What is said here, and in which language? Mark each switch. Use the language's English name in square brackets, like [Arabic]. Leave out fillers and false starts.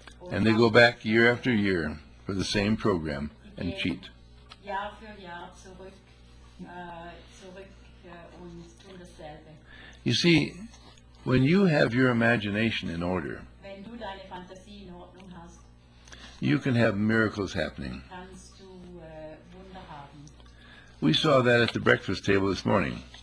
[English] And they go back year after year for the same program and cheat. [German] Jahr für Jahr zurück und tun dasselbe. [English] You see, when you have your imagination in order, [German] wenn du deine Fantasie in Ordnung hast, [English] you can have miracles happening. [German] Kannst du Wunder haben. [English] We saw that at the breakfast table this morning.